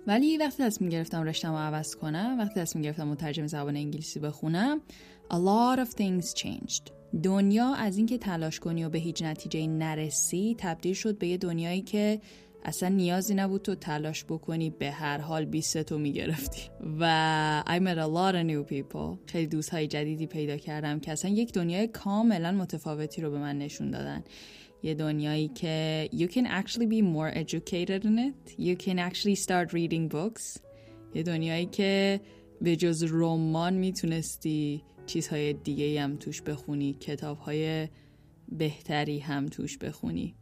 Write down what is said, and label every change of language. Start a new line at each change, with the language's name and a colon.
Persian: ولی وقتی تصمیم گرفتم رشتم رو عوض کنم، وقتی تصمیم گرفتم مترجم زبان انگلیسی بخونم،
English: a lot of things changed.
Persian: دنیا از اینکه تلاش کنی و به هیچ نتیجه نرسی تبدیل شد به یه دنیایی که اصلا نیازی نبود تو تلاش بکنی، به هر حال 20 تو میگرفتی. و
English: I met a lot of new people.
Persian: خیلی دوستهای جدیدی پیدا کردم که اصلا یک دنیای کاملا متفاوتی رو به من نشون دادن. یه دنیایی که
English: you can actually be more educated in it. You can actually start reading books.
Persian: یه دنیایی که به جز رمان میتونستی چیزهای دیگه هم توش بخونی، کتابهای بهتری هم توش بخونی.